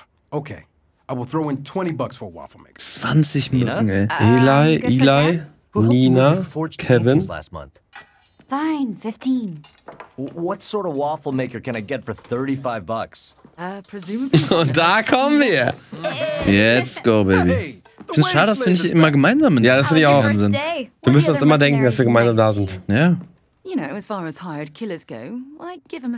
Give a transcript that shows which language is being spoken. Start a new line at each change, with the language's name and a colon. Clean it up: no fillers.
English: Okay. I will throw in 20 bucks for a waffle maker.
German: 20 Mücken, ey. Eli, Nina, Kevin.
English: Fine, 15. What sort of waffle maker can I get for 35 bucks? Presumably.
German: Und da kommen wir. Jetzt
English: go, baby.
German: Ich finde es schade, dass wir nicht immer gemeinsam sind. Ja, das finde ich auch. Wahnsinn. Wir müssen uns immer denken, dass wir gemeinsam da sind. Ja.
English: You know, as far as hired killers go, I'd give him a